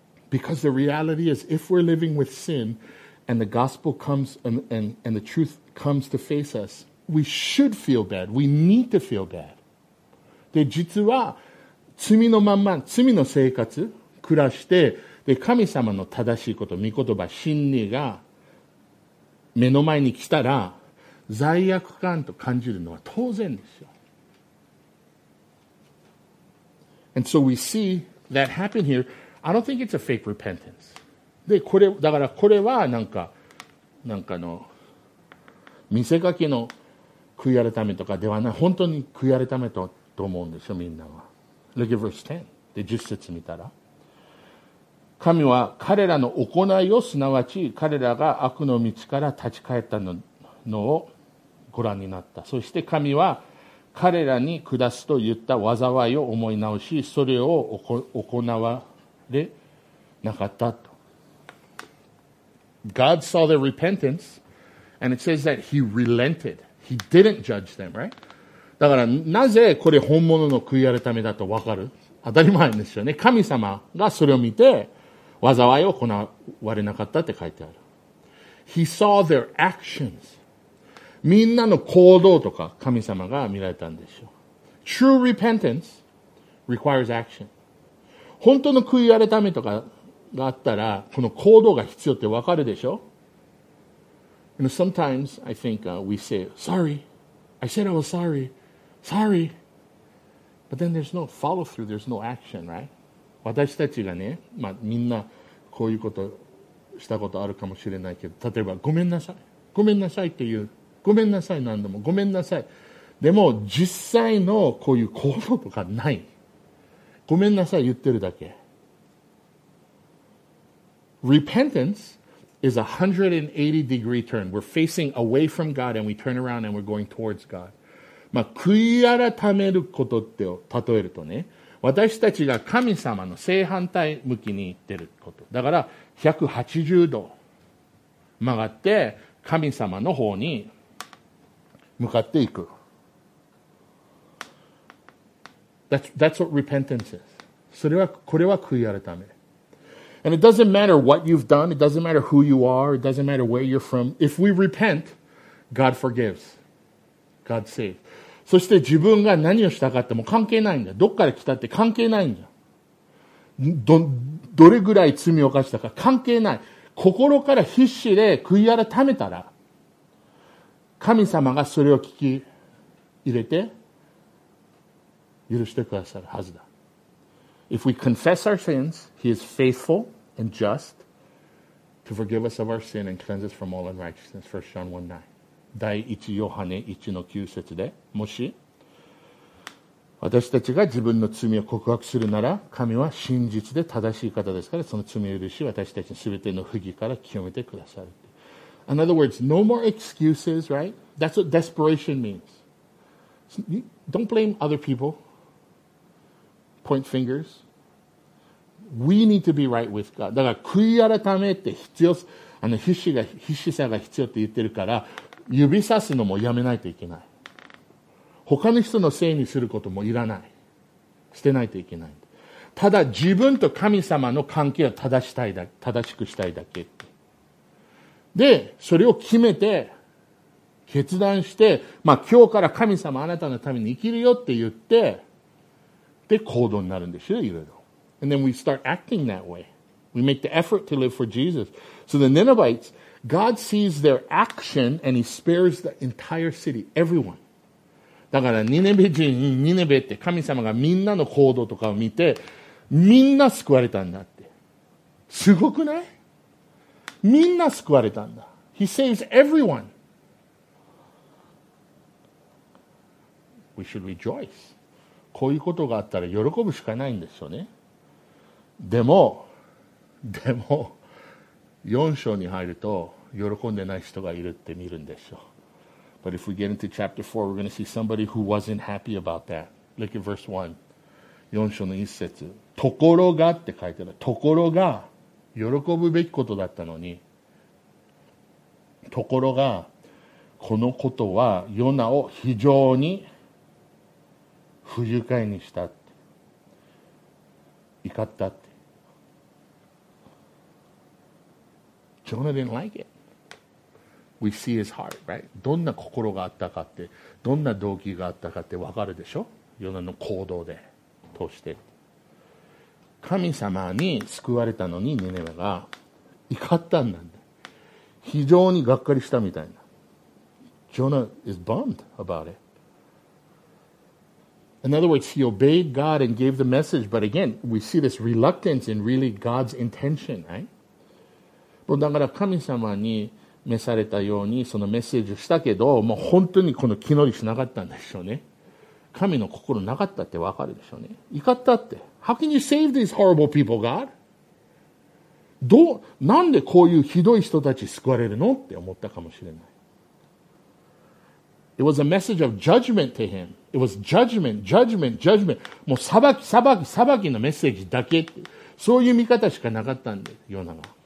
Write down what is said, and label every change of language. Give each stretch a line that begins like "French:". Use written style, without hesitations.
English: Because the reality is, if we're living with sin, and the gospel comes and the truth comes to face us, we should feel bad. We need to feel bad.
Japanese: で実は罪のまんま罪の生活暮らしてで神様の正しいこと御言葉真理が目の前に来たら。罪悪感と感じるのは当然ですよ。
English: And so we see that happen here. I don't think it's a fake repentance.
Japanese: で、これ、だからこれはなんかの、見せかけの悔い改めとかではない。本当に悔い改めと思うんですよ、みんなは。
English: Look at verse 10.
Japanese: で、10節見たら。神は彼らの行いを、すなわち彼らが悪の道から立ち返ったのを、ご覧になった。そして神は彼らに下すと言った災いを思い直し、それを行われなかったと。
English: God saw their repentance, and it says that he relented. He didn't judge them, right?
Japanese: だからなぜこれ本物の悔い改めだとわかる？当たり前ですよね。神様がそれを見て災いを行われなかったって書いてある。
English: He saw their actions.
Japanese: みんなの行動とか神様が見られたんでしょう。
English: True repentance requires action.
Japanese: 本当の悔い改めとかがあったら、この行動が必要ってわかるでしょ。
English: You know, sometimes I think we say, sorry, I said I was sorry, sorry. But then there's no follow through, there's no action, right?
Japanese: 私たちがね、まあみんなこういうことしたことあるかもしれないけど、例えばごめんなさい、ごめんなさいっていう、ごめんなさい何度も、ごめんなさい。でも実際のこういう行動とかない。ごめんなさい、言ってるだけ。
English: Repentance is a 180 degree turn. We're facing away from God and we turn around and we're going towards God.
Japanese: まあ、悔い改めることって例えるとね、私たちが神様の正反対向きに行ってること、だから180度曲がって神様の方に向かっていく。
English: That's what repentance is.
Japanese: それはこれは悔い改め。
English: And it doesn't matter what you've done. It doesn't matter who you are. It doesn't matter where you're from. If we repent, God forgives. God saves.
Japanese: そして自分が何をしたかっても関係ないんだ。どっから来たって関係ないんだ。どれぐらい罪を犯したか関係ない。心から必死で悔い改めたら、神様がそれを聞き入れて許してくださるはずだ。
English: If we confess our sins, He is faithful and just to forgive us of our sin and cleanse us from all unrighteousness. 1 John 1:9。
Japanese: 第1ヨハネ 1-9 節で、もし私たちが自分の罪を告白するなら、神は真実で正しい方ですから、その罪を許し、私たちの全ての不義から清めてくださる。
English: In other words, no more excuses, right? That's what desperation means. Don't blame other people. Point fingers. We need to be right with God.
Japanese: だから、悔い改めって必要、必死さが必要って言ってるから、指さすのもやめないといけない。他の人のせいにすることもいらない。捨てないといけない。ただ、自分と神様の関係を正しくしたいだけ。で、それを決めて、決断して、まあ今日から神様あなたのために生きるよって言って、で、行動になるんですよ、いろいろ。
English: And then we start acting that way. We make the effort to live for Jesus. So the Ninevites, God sees their action and He spares the entire city, everyone.
Japanese: だからニネベって神様がみんなの行動とかを見て、みんな救われたんだって。すごくない？みんな救われたんだ。
English: He saves everyone. We should rejoice.
Japanese: こういうことがあったら喜ぶしかないんですよね。でも、4章に入ると喜んでない人がいるって見るんでしょう。
English: But if we get into chapter 4, we're going to see somebody who wasn't happy about that. Look at verse 1.
Japanese: 4章の1節。ところがって書いてある。ところが。喜ぶべきことだったのに、ところがこのことはヨナを非常に不愉快にしたって、怒ったって。
English: ジョナ didn't like it. We see his heart, right?
Japanese: どんな心があったかって、どんな動機があったかってわかるでしょ、ヨナの行動で通して。神様に救われたのにネネベが怒ったんだ。非常にがっかりしたみたいな。
English: Jonah is bummed about it. In other words, he obeyed God and gave the message, but again, we see this reluctance in really God's intention, right?
Japanese: だから神様に召されたようにそのメッセージをしたけど、もう本当にこの気乗りしなかったんでしょうね。神の心なかったってわかるでしょうね。怒ったって。
English: How can you save these horrible people, God?
Japanese: なんでこういうひどい人たち救われるのって思ったかもしれない。
English: It was a message of judgment to him. It was judgment, judgment, judgment.
Japanese: もう裁き、裁き、裁きのメッセージだけって。そういう見方しかなかったんで、ヨナが。